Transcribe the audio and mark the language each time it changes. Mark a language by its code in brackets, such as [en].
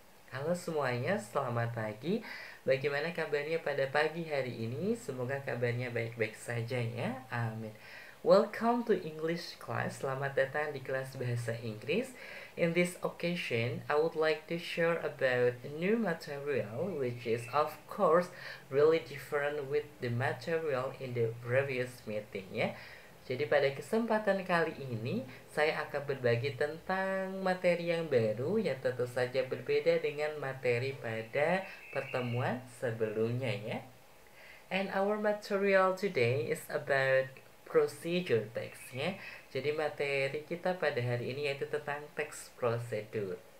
[id] Halo semuanya, selamat pagi. Bagaimana kabarnya pada pagi hari ini? Semoga kabarnya baik-baik saja ya. Amin. [en] Welcome to English class. [id] Selamat datang di kelas bahasa Inggris. [en] In this occasion, I would like to share about new material which is of course really different with the material in the previous meeting ya. [id] Jadi pada kesempatan kali ini, saya akan berbagi tentang materi yang baru yang tentu saja berbeda dengan materi pada pertemuan sebelumnya ya. [en] And our material today is about procedure text ya. [id] Jadi materi kita pada hari ini yaitu tentang teks prosedur.